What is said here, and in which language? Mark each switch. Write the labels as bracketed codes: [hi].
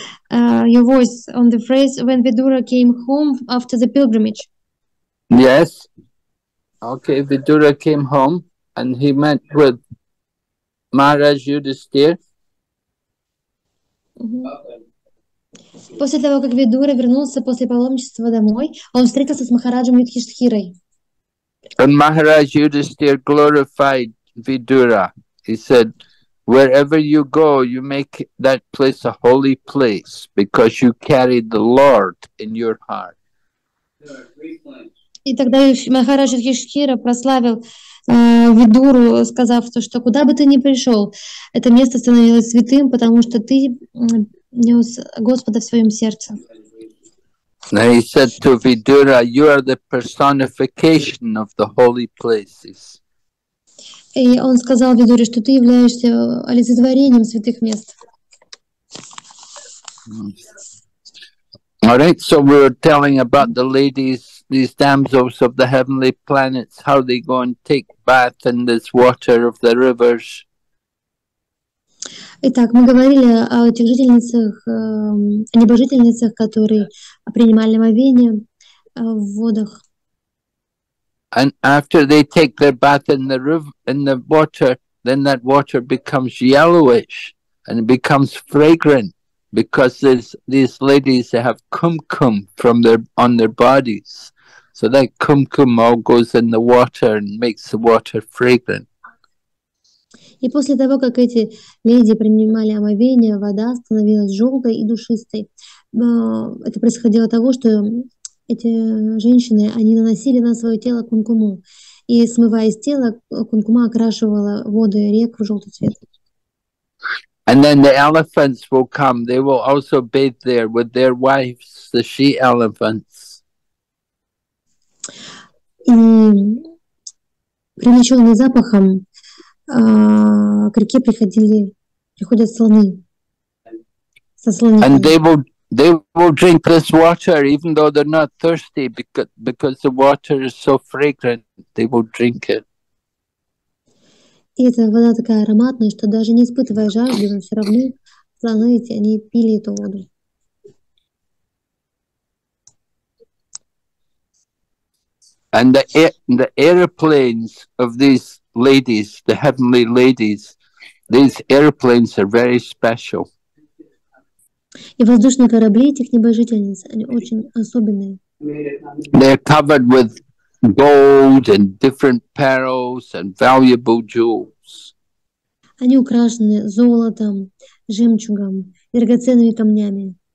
[en] Your voice on the phrase when Vidura came home after the pilgrimage. Yes. Okay, Vidura came home and he met with Maharaj Yudhisthira. [ru] После того, как Видура вернулся после паломничества домой, он встретился с Махараджем Юдхиштхирой. [en] And Maharaj Yudhisthira glorified Vidura. He said, wherever you go, you make that place a holy place because you carry the Lord in your heart. [ru] И тогда Махарадж Юдхиштхира прославил Видуру, сказав то, что куда бы ты ни пришел, это место становилось святым, потому что ты нес Господа в своем сердце. [en] Now he said to Vidura, you are the personification of the holy places. [ru] И он сказал Видуре, что ты являешься олицетворением святых мест. [en] All right, so we were telling about the ladies, these damsels of the heavenly planets, how they go and take bath in this water of the rivers. [ru] Итак, мы говорили о этих жительницах, о небожительницах, которые принимали омовение в водах. [en] And after they take their bath in the river, in the water, then that water becomes yellowish and it becomes fragrant because these ladies they have kumkum from their on their bodies, so that kumkum all goes in the water and makes the water fragrant. [ru] И после того, как эти леди принимали омовение, вода становилась желтой и душистой. Это происходило от того, что эти женщины, они наносили на свое тело кункуму. И смываясь тело, кункума окрашивала воды рек в желтый цвет. [en] And then the elephants will come. They will also bathe there with their wives, the she-elephants. [ru] И привлеченные запахом к реке приходят слоны со слонами. [en] And they will drink this water even though they're not thirsty because the water is so fragrant, they will drink it. [ru] И эта вода такая ароматная, что даже не испытывая жажды, но все равно слоны эти, они пили эту воду. [en] And the airplanes of these ladies, the heavenly ladies, these airplanes are very special. [ru] И воздушные корабли этих небожительниц, они очень особенные. [en] They're covered with gold and different pearls and valuable jewels. [ru] Они украшены золотом, жемчугом, драгоценными камнями.